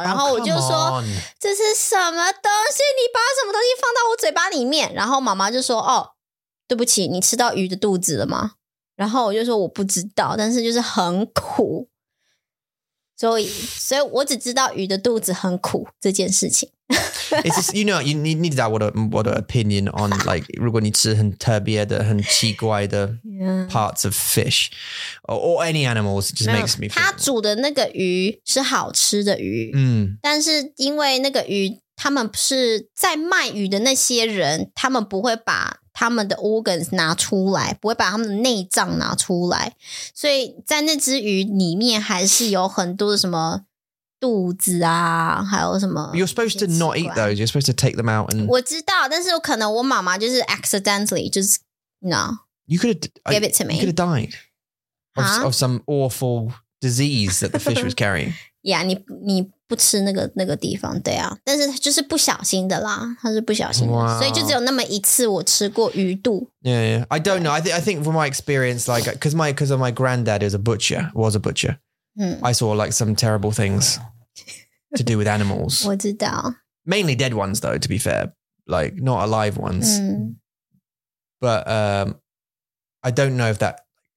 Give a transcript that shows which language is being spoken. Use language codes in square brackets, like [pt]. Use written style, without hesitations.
[zh] 然后我就说、这是什么东西?你把什么东西放到我嘴巴里面? 然后妈妈就说哦,对不起,你吃到鱼的肚子了吗? 然后我就说我不知道,但是就是很苦。所以我只知道鱼的肚子很苦这件事情。 [en] It's just, you know, you need that what an opinion on like, [zh] 如果你吃很特别的、很奇怪的 [en] parts of fish, or any animals, it just makes me feel. [zh] 他煮的那个鱼是好吃的鱼，但是因为那个鱼，他们是在卖鱼的那些人，他们不会把他们的 organs 拿出来，不会把他们的内脏拿出来，所以在那只鱼里面还是有很多的什么。肚子啊，还有什么？ [en] You're supposed to not eat those. You're supposed to take them out and. [zh] 我知道，但是可能我妈妈就是 accidentally 就是 no. [en] You could have give it to me. You could have died of some awful disease that the fish was carrying. [zh] Yeah, 你不吃那个地方，对啊，但是就是不小心的啦，它是不小心的， [en] wow. [zh] 所以就只有那么一次我吃过鱼肚。 [en] Yeah, I don't know. I think from my experience, like because of my granddad was a butcher. I saw like some terrible things to do with animals. [zh] 我知道。 [en] Mainly dead ones though, to be fair. Like not alive ones. But I don't know if that...